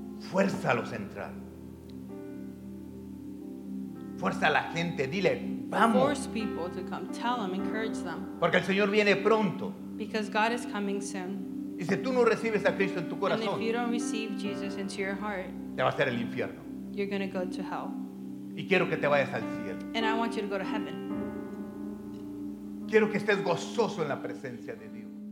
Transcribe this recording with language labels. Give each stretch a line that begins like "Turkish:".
Spanish: Fuérzalos a entrar. Fuerza a la gente, dile, vamos.
English: Force people to come. Tell them, encourage them.
Spanish: Porque el Señor viene pronto.
English: Because God is coming soon.
Spanish: Y si tú no recibes a Cristo en tu corazón.
English: And if you don't receive Jesus into your heart.
Spanish: Te va a ser el infierno.
English: You're going to go to hell.
Spanish: Y quiero que te vayas al cielo.
English: And I want you to go to heaven.
Spanish: Quiero que estés gozoso en la presencia de Dios.